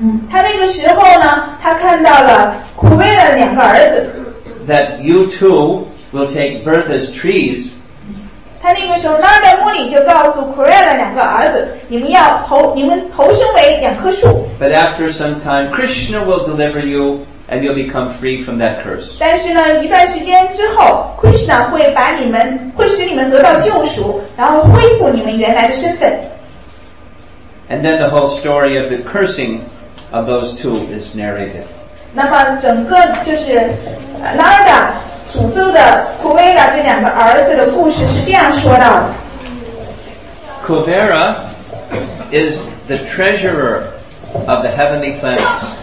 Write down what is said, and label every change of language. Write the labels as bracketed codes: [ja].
[zh] 他那个时候呢，他看到了 Kuvera 的两个儿子。 [en] That you too will take birth as trees. [zh] 他那个时候 ，Narada Muni 就告诉 Kuvera 两个儿子，你们投生为两棵树。 [en] But after some time, Krishna will deliver you, and you'll become free from that curse. [zh] 但是呢，一段时间之后 ，Krishna 会使你们得到救赎，然后恢复你们原来的身份。 [en] And then the whole story of the cursing of those two is narrated. [zh] 那么整个就是 Narada。诅咒的 Kuvera 这两个儿子的故事是这样说到的。 [en] Kuvera is the treasurer of the heavenly planets.